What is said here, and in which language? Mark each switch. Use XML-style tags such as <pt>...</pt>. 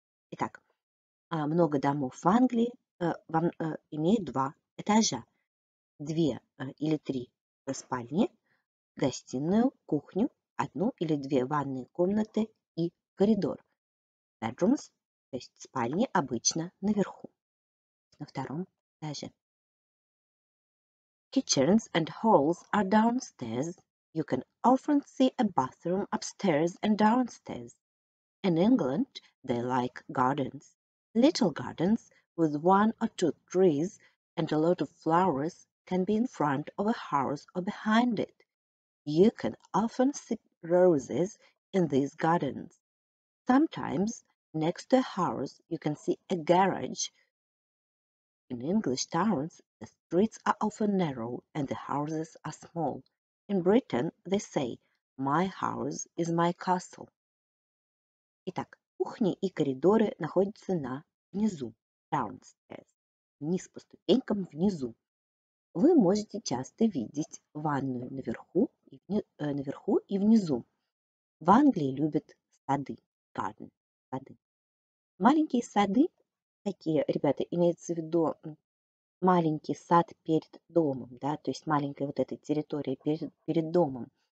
<ru>Итак, много домов в Англии имеют два этажа, две или три спальни, гостиную, кухню, одну или две ванные комнаты и коридор. Bedrooms, то есть спальни, обычно наверху, на втором этаже.</ru> <en>Kitchens and halls are downstairs. You can often see a bathroom upstairs and downstairs. In England, they like gardens. Little gardens with one or two trees and a lot of flowers can be in front of a house or behind it. You can often see roses in these gardens. Sometimes, next to a house, you can see a garage. In English towns, the streets are often narrow and the houses are small. In Britain, they say, my house is my castle.</en> <ru>Итак, кухни и коридоры находятся на внизу, downstairs, вниз по ступенькам внизу. Вы можете часто видеть ванную наверху и внизу. В Англии любят сады, garden, сады. Маленькие сады, такие, ребята, имеется в виду маленький сад перед домом, да, то есть маленькая вот эта территория перед домом.</ru>